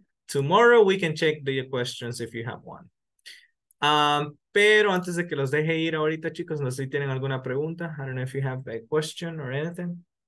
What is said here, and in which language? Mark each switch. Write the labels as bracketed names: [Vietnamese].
[English] Tomorrow we can check the questions if you have one. [Spanish] Pero antes de que los deje ir ahorita, chicos, no sé si tienen alguna pregunta. [English] I don't know if you have a question or anything.